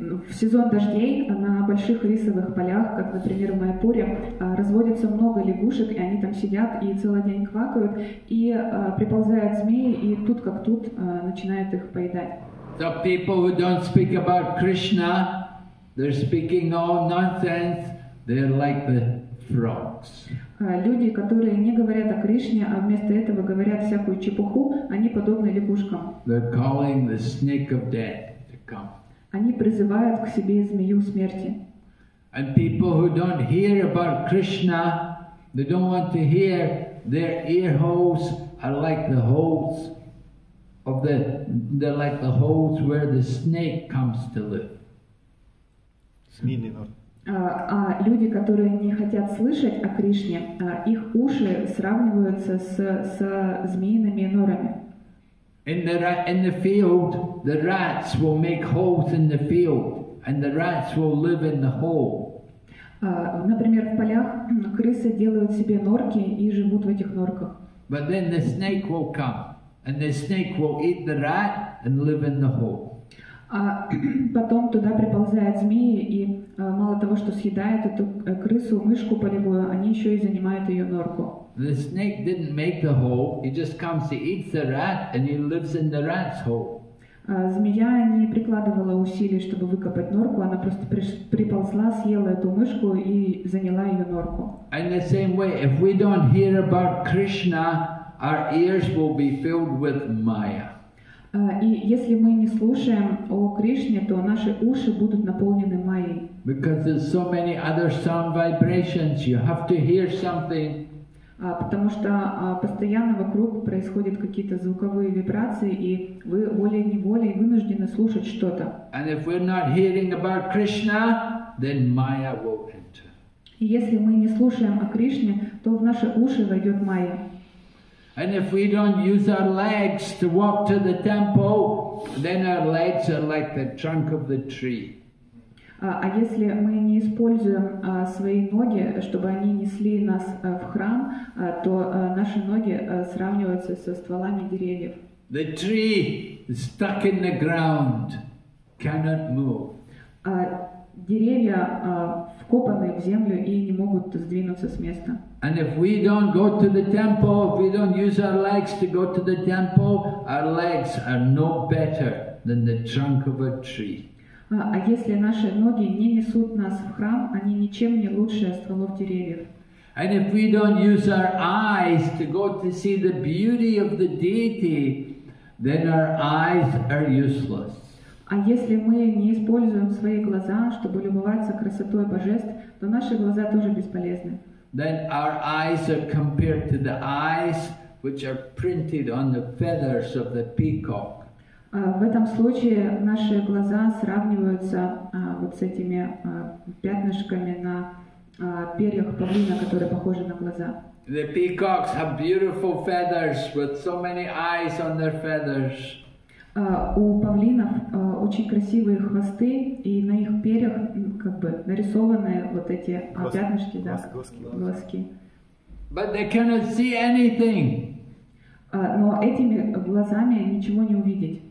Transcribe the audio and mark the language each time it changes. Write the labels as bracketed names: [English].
[Russian] В сезон дождей на больших рисовых полях, как, например, в Майпуре, разводится много лягушек, и они там сидят и целый день квакают, и приползают змеи, и тут как тут начинают их поедать. [English] So people who don't speak about Krishna, they're speaking all nonsense, they're like the frogs. [Russian] Люди, которые не говорят о Кришне, а вместо этого говорят всякую чепуху, они подобны лягушкам. [English] They're calling the snake of death. [Russian] Они призывают к себе змею смерти. [English] And people who don't hear about Krishna, they don't want to hear, their ear holes are like the holes of the, they're like the holes where the snake comes to live. [Russian] Змеиный нор. А люди, которые не хотят слышать о Кришне, их уши сравниваются с змеиными норами. [English] In the field, the rats will make holes in the field, and the rats will live in the hole. [Russian] Например, в полях крысы делают себе норки и живут в этих норках. [English] But then the snake will come, and the snake will eat the rat and live in the hole. [Russian] А потом туда приползают змеи и мало того, что съедают эту крысу, мышку полевую, они еще и занимают ее норку. [English] The snake didn't make the hole. He just comes to eat the rat, and he lives in the rat's hole. [Russian] Змея не прикладывала усилий, чтобы выкопать норку. Она просто приползла, съела эту мышку и заняла ее норку. [English] In the same way, if we don't hear about Krishna, our ears will be filled with Maya. [Russian] И если мы не слушаем о Кришне, то наши уши будут наполнены Майей. [English] Because there's so many other sound vibrations, you have to hear something. [Russian] Потому что постоянно вокруг происходят какие-то звуковые вибрации, и вы волей-неволей вынуждены слушать что-то. [English] And if we're not hearing about Krishna, then Maya will enter. [Russian] И если мы не слушаем о Кришне, то в наши уши войдет Майя. [English] And if we don't use our legs to walk to the temple, then our legs are like the trunk of the tree. [Russian] А если мы не используем свои ноги, чтобы они несли нас в храм, то наши ноги сравниваются со стволами деревьев. [English] The tree stuck in the ground cannot move. [Russian] А деревья вкопаны в землю и не могут сдвинуться с места. [English] And if we don't go to the temple, if we don't use our legs to go to the temple, our legs are no better than the trunk of a tree. [Russian] А если наши ноги не несут нас в храм, они ничем не лучше стволов деревьев. [English] And if we don't use our eyes to go to see the beauty of the deity, then our eyes are useless. [Russian] А если мы не используем свои глаза, чтобы любоваться красотой божеств, то наши глаза тоже бесполезны. [English] Then our eyes are compared to the eyes which are printed on the feathers of the peacock. [Russian] В этом случае наши глаза сравниваются вот с этими пятнышками на перьях павлина, которые похожи на глаза. [English] The peacocks have beautiful feathers with so many eyes on their feathers. [Russian] У павлинов очень красивые хвосты, и на их перьях как бы нарисованы вот эти пятнышки, да, глазки. [English] But they cannot see anything. [Russian] Но этими глазами ничего не увидеть.